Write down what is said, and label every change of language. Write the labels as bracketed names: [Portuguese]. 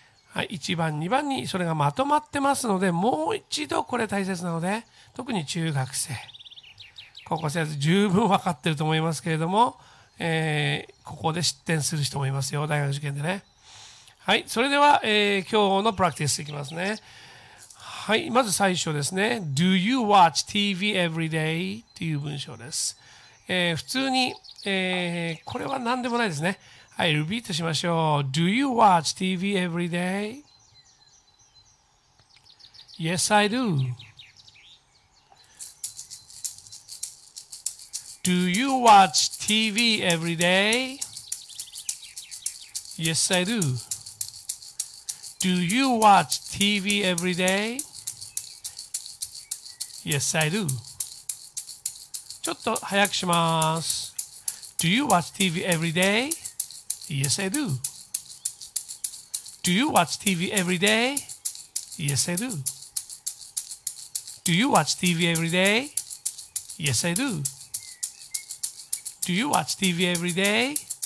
[Japanese] はい、1番、2番にそれがまとまってますので、もう一度これ大切なので、特に中学生、高校生は十分分かってると思いますけれども、ここで失点する人もいますよ、大学受験でね。はい、それでは、今日のプラクティスいきますね。はい、まず最初ですね。 [English] Do you watch TV every day? [Japanese] という文章です。普通に、これは何でもないですね。はい、リピートしましょう。 [English] Do you watch TV every day? Yes, I do. Do you watch TV every day? Yes, I do. Do you watch TV every day? Yes, I do. [Japanese] ちょっと早くします。 [English] Do you watch TV every day? Yes, I do. Do you watch TV every day? Yes, I do. Do you watch TV every day? Yes, I do. Do you watch TV every day?